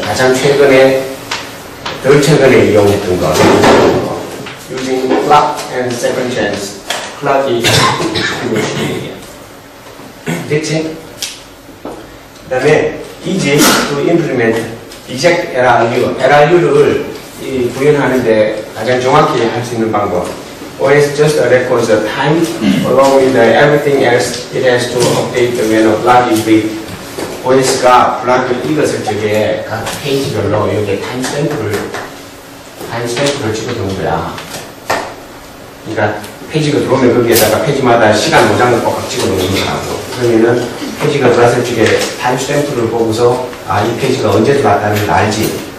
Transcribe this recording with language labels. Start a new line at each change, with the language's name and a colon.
Korean: 가장 최근에, 덜 최근에 이용했던 거.
English: Using clock and second chance.
Korean: clock이 이것이 얘기야. 됐지? 그 다음에 이제 또 implement.
English: Eject LRU.
Korean: LRU를 이 구현하는데 가장 정확히 할 수 있는 방법.
English: OS just records the time along with the everything else it has to update when a block is read.
Korean: OS가 블록을 읽었을 적에 각 페이지별로 여기에 타임스탬프를 찍어둔 거야. 그러니까 페이지가 들어오면 거기에다가 페이지마다 시간 모장을 꼭 찍어놓는 거라고. 그러면은 페이지가 들어왔을 적에 타임스탬프를 보고서 아, 이 페이지가 언제 들어왔다는 걸 알지.